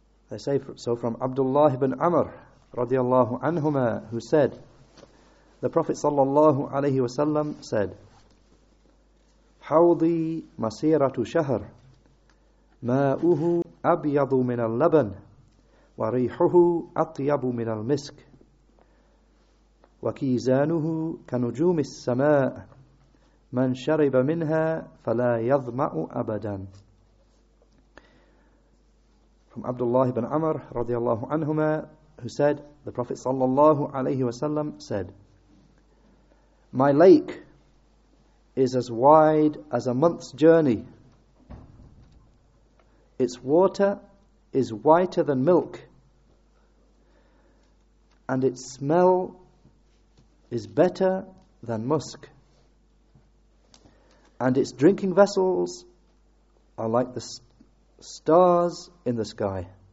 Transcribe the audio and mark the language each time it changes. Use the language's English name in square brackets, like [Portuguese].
[English] They say, so from Abdullah ibn Amr radiallahu anhuma, who said, the Prophet sallallahu alayhi wa sallam said, [Arabic] حوضي مسيرة شهر ماؤه أبيض من اللبن وريحه أطيب من المسك وكيزانه كنجوم السماء من شرب منها فلا يظمأ أبدا. [English] From Abdullah ibn Amr radiallahu anhuma, who said, the Prophet sallallahu alayhi wasallam said, my lake is as wide as a month's journey. Its water is whiter than milk, and its smell is better than musk, and its drinking vessels are like the stars in the sky.